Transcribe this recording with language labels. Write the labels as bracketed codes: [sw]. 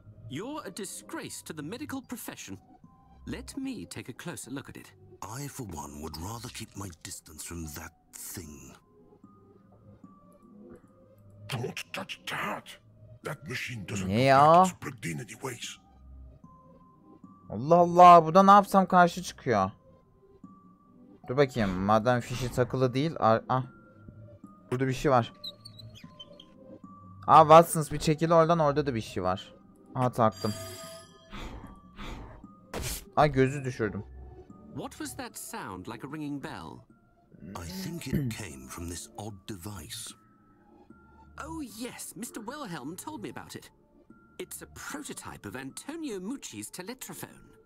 [en] You're a disgrace to the medical profession. Let me take a closer look at it. I, for one, would rather keep my distance from that thing. Don't touch that! That machine doesn't look like it's plugged in anyways. [tr] Allah Allah, burada ne yapsam karşı çıkıyor. Dur bakayım, madem fişi takılı değil, burada bir şey var. Watson's bir çekili oradan, orada da bir şey var. Taktım. Ay, gözü düşürdüm. [en] What was that sound like a ringing bell? I think it came from this odd device. Oh yes, Mr. Wilhelm told me about it. It's a prototype of Antonio Mucci's telephone.